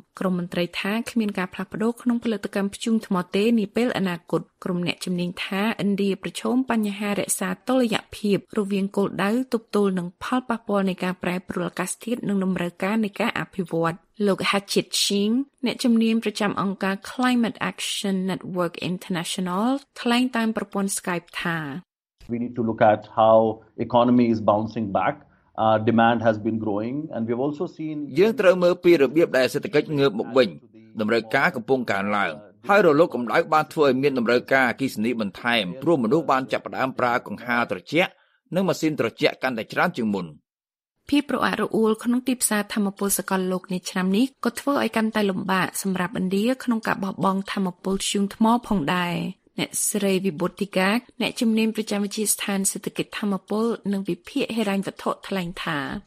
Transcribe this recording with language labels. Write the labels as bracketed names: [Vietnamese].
[Khmer] ក្រមមន្ត្រីថាគ្មានការផ្លាស់ប្ដូរក្នុងផលិតកម្មខ្យូងថ្មទេនាពេលអនាគតក្រុមអ្នកជំនាញថាឥណ្ឌាប្រឈមបញ្ហារក្សាតុល្យភាពរវាងគោលដៅទប់ទល់នឹងផលប៉ះពាល់នៃការប្រែប្រួលអាកាសធាតុនិងតម្រូវការនៃការអភិវឌ្ឍលោក Hatchit Singh អ្នកជំនាញប្រចាំអង្គការ Climate Action Network International ថ្លែងតាមប្រព័ន្ធ Skype ថា [English] We need to look at how economy is bouncing back. Demand has been growing and we've also seen [Khmer] យើងត្រូវមើលពីរបៀបដែលសេដ្ឋកិច្ចងើបមកវិញតម្រូវការកំពុងកើនឡើងហើយរលកកម្ដៅបានធ្វើឲ្យមានតម្រូវការអគ្គិសនីបន្ថែមព្រោះមនុស្សបានចាប់ផ្ដើមប្រើកង្ហារត្រជាក់និងម៉ាស៊ីនត្រជាក់កាន់តែច្រើនជាងមុន ភាពរអាក់រអួលក្នុងទីផ្សារធម្មពលសកលលោកនេះឆ្នាំនេះក៏ធ្វើឲ្យកាន់តែលំបាកសម្រាប់ឥណ្ឌាក្នុងការបោះបង់ធម្មពលធ្យូងថ្មផងដែរអ្នកស្រីវិបុតិកាអ្នកជំនាញប្រចាំវិទ្យាស្ថានសេដ្ឋកិច្ចធម្មពលនិងវិភាគហិរញ្ញវត្ថុថ្លែងថា